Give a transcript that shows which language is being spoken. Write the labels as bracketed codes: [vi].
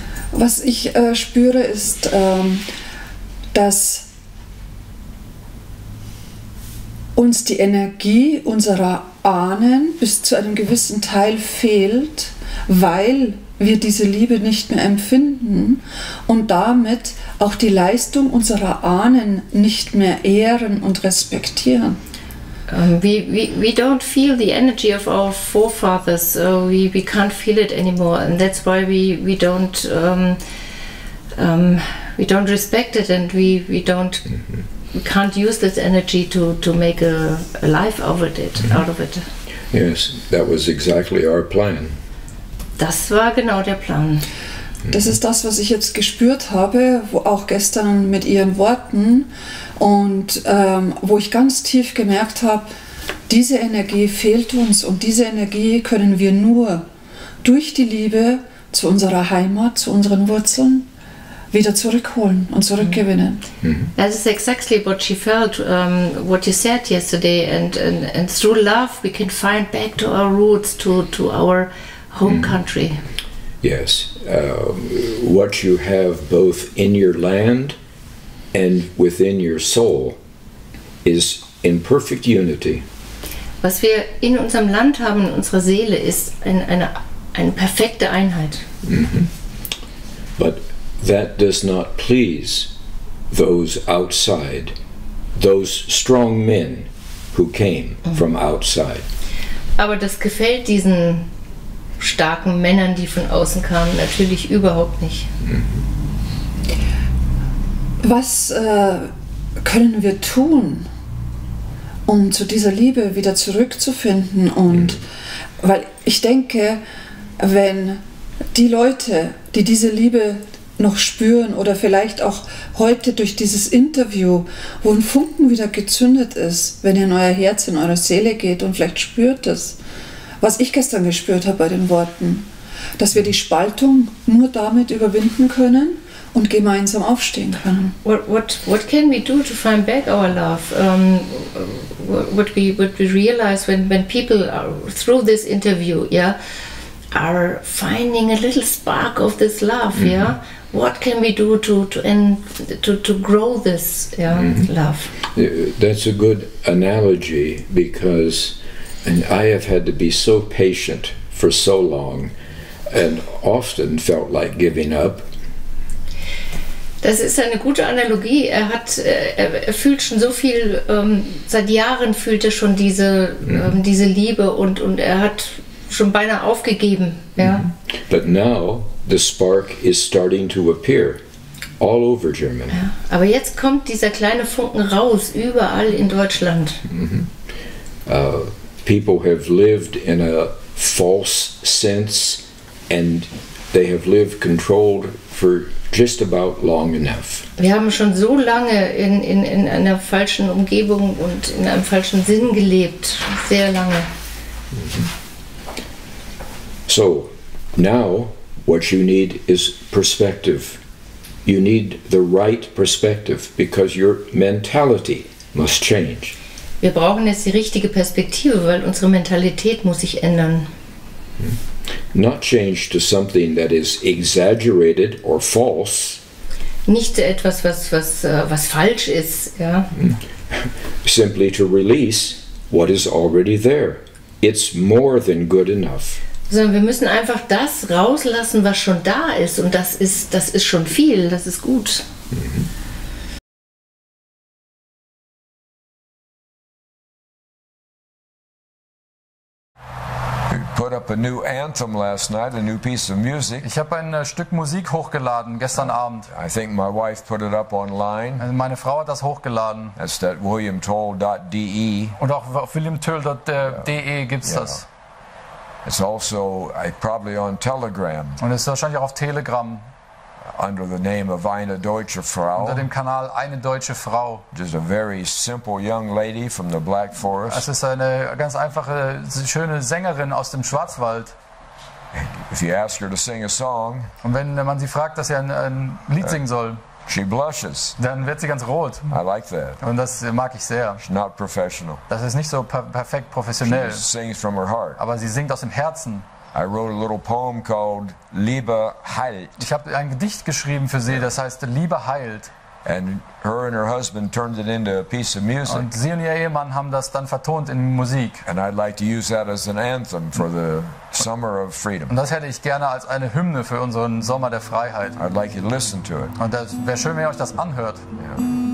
[de] Was ich spüre, ist, dass uns die Energie unserer Ahnen bis zu einem gewissen Teil fehlt, weil wir diese Liebe nicht mehr empfinden und damit auch die Leistung unserer Ahnen nicht mehr ehren und respektieren. [en] We don't feel the energy of our forefathers. We can't feel it anymore, and that's why we don't respect it, and we don't mm-hmm. we can't use this energy to make a life out of it. Yes, that was exactly our plan. [de] Das war genau der Plan. Das ist das, was ich jetzt gespürt habe, wo auch gestern mit ihren Worten und wo ich ganz tief gemerkt habe, diese Energie fehlt uns und diese Energie können wir nur durch die Liebe zu unserer Heimat, zu unseren Wurzeln wieder zurückholen und zurückgewinnen. [en] That is exactly what she felt, what you said yesterday, and through love we can find back to our roots, to our home country. Yes, what you have both in your land and within your soul is in perfect unity. [de] Was wir in unserem Land haben, in unserer Seele, ist eine perfekte Einheit. Mm-hmm. [en] But that does not please those outside, those strong men who came from outside. [de] Aber das gefällt diesen starken Männern, die von außen kamen, natürlich überhaupt nicht. Was können wir tun, um zu dieser Liebe wieder zurückzufinden? Und weil ich denke, wenn die Leute, die diese Liebe noch spüren oder vielleicht auch heute durch dieses Interview, wo ein Funken wieder gezündet ist, wenn ihr in euer Herz, in eure Seele geht und vielleicht spürt es, was ich gestern gespürt habe bei den Worten, dass wir die Spaltung nur damit überwinden können und gemeinsam aufstehen können. [en] What can we do to find back our love? What we realize when people are through this interview, yeah, are finding a little spark of this love, mm-hmm. yeah. What can we do to grow this love? That's a good analogy because. And I have had to be so patient for so long and often felt like giving up. [de] Das ist eine gute Analogie. Er fühlt schon so viel, seit Jahren fühlt er schon diese, diese Liebe und er hat schon beinahe aufgegeben. Ja. [en] But now the spark is starting to appear all over Germany. Ja. [de] Aber jetzt kommt dieser kleine Funken raus, überall in Deutschland. Mm-hmm. [en] People have lived in a false sense and they have lived controlled for just about long enough. [de] Wir haben schon so lange in einer falschen Umgebung und in einem falschen Sinn gelebt, sehr lange. [en] So now what you need is perspective. You need the right perspective because your mentality must change. [de] Wir brauchen jetzt die richtige Perspektive, weil unsere Mentalität muss sich ändern. [en] not change to something that is exaggerated or false. [de] Nicht etwas, was falsch ist, ja. [en] Simply to release what is already there. It's more than good enough. [de] Sondern wir müssen einfach das rauslassen, was schon da ist, und das ist schon viel, das ist gut. Mm-hmm. [en] A new anthem last night, a new piece of music. [de] Ich habe ein Stück Musik hochgeladen gestern Abend. [en] I think my wife put it up online. [de] Also meine Frau hat das hochgeladen. [en] That's that williamtoll.de. [de] Und auch williamtoll.de gibt's das. [en] It's also probably on Telegram. [de] Und es ist wahrscheinlich auch auf Telegram. [en] Under the name of Eine Deutsche Frau. [de] Unter dem Kanal Eine Deutsche Frau. [en] Just a very simple young lady from the Black Forest. [de] Es ist eine ganz einfache, schöne Sängerin aus dem Schwarzwald. [en] If you ask her to sing a song, [de] und wenn man sie fragt, dass sie ein Lied singen soll, [en] she blushes. [de] Dann wird sie ganz rot. [en] I like that. [de] Und das mag ich sehr. [en] She's not professional. [de] Das ist nicht so perfekt professionell. [en] She sings from her heart. [de] Aber sie singt aus dem Herzen. [en] I wrote a little poem called Liebe heilt. [de] Ich habe ein Gedicht geschrieben für sie, das heißt Liebe heilt. [en] And her and her husband turned it into a piece of music. [de] Und sie und ihr Ehemann haben das dann vertont in Musik. [en] And I'd like to use that as an anthem for the summer of freedom. [de] Und das hätte ich gerne als eine Hymne für unseren Sommer der Freiheit. [en] I'd like you to listen to it. [de] Und das wäre schön, wenn ihr euch das anhört. Yeah.